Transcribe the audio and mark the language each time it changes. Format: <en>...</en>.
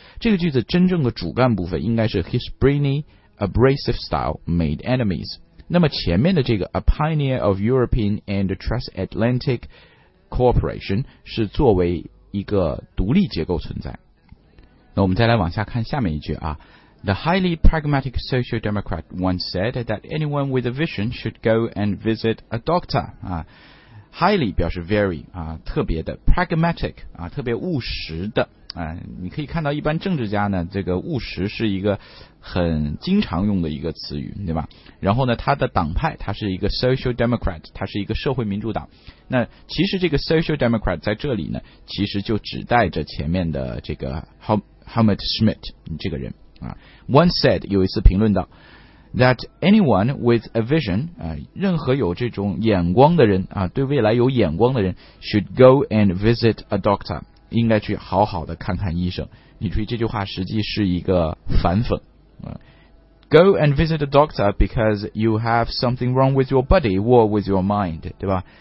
<zh>这个句子真正的主干部分应该是</zh> <en>his Brini abrasive style made enemies。</en> <zh>那么前面的这个</zh> <en>a pioneer of European and transatlantic cooperation</en> <zh>是作为一个独立结构存在。那我们再来往下看下面一句啊。</zh> <en>The highly pragmatic social democrat once said that anyone with a vision should go and visit a doctor.</en> <zh>啊 highly 表示 very, 啊特别的 pragmatic, 啊特别务实的。啊你可以看到一般政治家呢这个务实是一个很经常用的一个词语，对吧？然后呢他的党派他是一个 social democrat, 他是一个社会民主党。那其实这个 social democrat 在这里呢其实就指代着前面的这个 Helmut Schmidt 这个人啊。</zh> <en>Once said</en> <zh>有一次评论到</zh> <en>that anyone with a vision,</en> <zh>啊任何有这种眼光的人啊对未来有眼光的人</zh> <en>should go and visit a doctor,</en> <zh>应该去好好的看看医生。你注意这句话实际是一个反讽。</zh> <en>Go and visit a doctor because you have something wrong with your body or with your mind,</en> <zh>对吧？</zh>